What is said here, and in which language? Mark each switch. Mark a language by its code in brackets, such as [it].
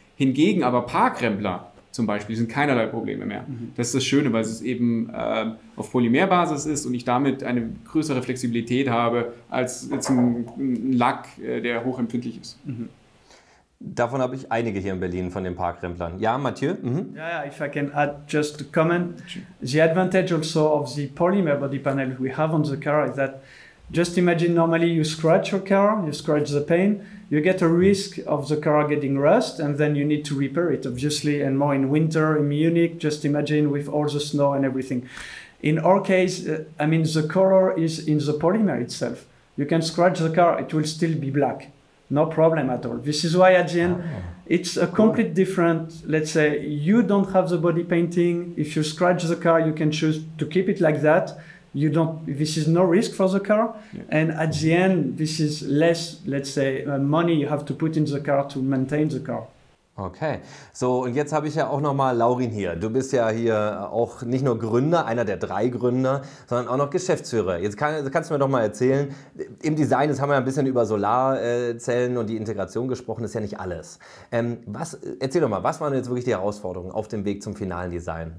[de] Hingegen aber Parkrempler zum Beispiel sind keinerlei Probleme mehr. Das ist das Schöne, weil es eben auf Polymerbasis ist und ich damit eine größere Flexibilität habe als jetzt ein Lack, der hochempfindlich ist. Mhm. Davon habe ich einige hier in Berlin von den Parkremplern. Ja, Mathieu? [en] Ja, yeah, if I can add just a comment. The advantage also of the polymer body panel we have on the car is that just imagine normally you scratch your car, you scratch the paint, you get a risk of the car getting rust and then you need to repair it, obviously, and more in winter in Munich, just imagine with all the snow and everything. In our case, I mean, the color is in the polymer itself. You can scratch the car, it will still be black. No problem at all. This is why at the end, it's a complete different, let's say, you don't have the body painting. If you scratch the car, you can choose to keep it like that. You don't, this is no risk for the car. Yeah. And at the end, this is less, let's say, money you have to put in the car to maintain the car. [de] Okay, so und jetzt habe ich ja auch nochmal Laurin hier. Du bist ja hier auch nicht nur Gründer, einer der drei Gründer, sondern auch noch Geschäftsführer. Jetzt kannst du mir doch mal erzählen, im Design, jetzt haben wir ja ein bisschen über Solarzellen und die Integration gesprochen, ist ja nicht alles. Erzähl doch mal, was waren jetzt wirklich die Herausforderungen auf dem Weg zum finalen Design?